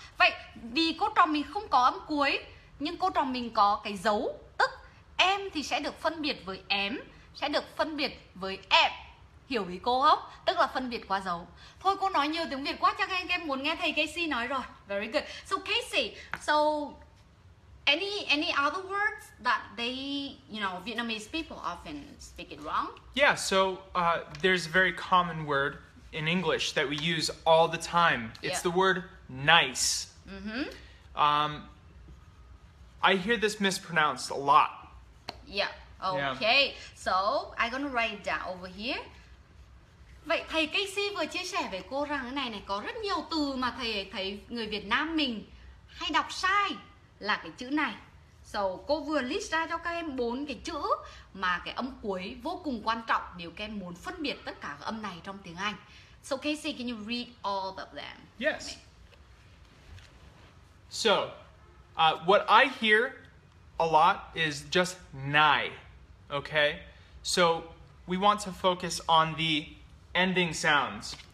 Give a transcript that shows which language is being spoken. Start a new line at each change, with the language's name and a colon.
Vietnamese: Vậy vì cô trò mình không có âm cuối, nhưng cô trò mình có cái dấu, tức em thì sẽ được phân biệt với em, sẽ được phân biệt với em. Hiểu ý cô không? Tức là phân biệt qua dấu. Thôi cô nói nhiều tiếng Việt quá, chắc anh em muốn nghe thầy Kasey nói rồi.
English: Very good. So Kasey, so any other words that they, you know, Vietnamese people often speak it wrong? Yeah, so there's a very common word in English that we use all the time. It's the word nice. Mm-hmm. I hear this mispronounced a lot. Yeah. Okay. Yeah. So I'm gonna write down over here.
Vietnamese: Vậy thầy Kasey vừa chia sẻ với cô rằng cái này này có rất nhiều từ mà thầy thấy người Việt Nam mình hay đọc sai là cái chữ này. So cô vừa list ra cho các em bốn cái chữ mà cái âm cuối vô cùng quan trọng nếu các em muốn phân biệt tất cả âm này trong tiếng Anh.
English: So Kasey, can you read all of them? Yes. So what I hear a lot is just nai, okay? So we want to focus on the ending sounds.